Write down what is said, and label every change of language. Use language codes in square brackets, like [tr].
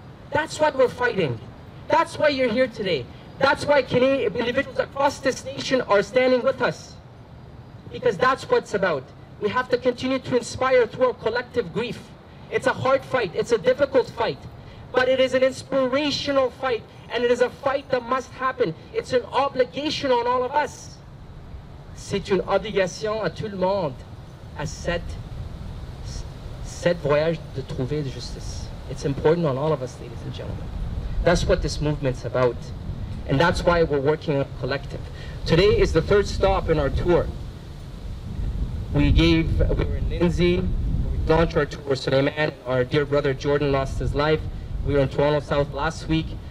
[en] That's what we're fighting. That's why you're here today. That's why Canadian individuals across this nation are standing with us. Because that's what it's about. We have to continue to inspire through our collective grief. It's a hard fight. It's a difficult fight. But it is an inspirational fight, and it is a fight that must happen. It's an obligation on all of us. [fr] C'est une obligation à tout le monde à cette voyage de trouver de justice. [en] It's important on all of us, ladies and gentlemen. That's what this movement's about. And that's why we're working on a collective. Today is the third stop in our tour. We were in Lindsay, we launched our tour with Suleiman. Our dear brother Jordan lost his life. We were in Toronto South last week.